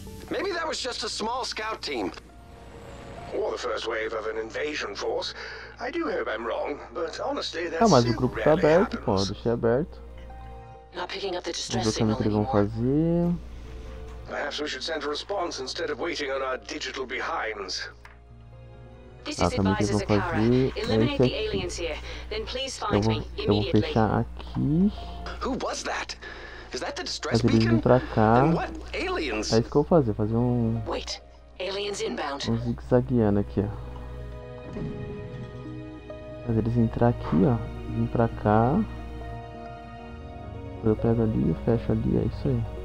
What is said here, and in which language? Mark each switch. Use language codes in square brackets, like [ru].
[en] Maybe that was just a small scout team. Or the first wave of an invasion force. I do hope I'm wrong, but honestly, that's [pt] ah, mas o grupo tá aberto, pô, deixei aberto. Não pegando o que eles vão fazer. [en] Perhaps we should send a response instead of waiting on our digital behinds. This is advisor Zakara. Eliminate the aliens here. Then please find me immediately. [pt] Eu vou fechar aqui. [en] Who was that? Is that the distress beacon? [pt] Pra cá. [en] What aliens? [pt] É isso que eu vou fazer, fazer um. [en] Wait. Aliens inbound. [pt] Um zigue-zagueando aqui, ó. Fazer eles entrar aqui, ó. Vim pra cá. Eu pego ali e fecho ali, é isso aí.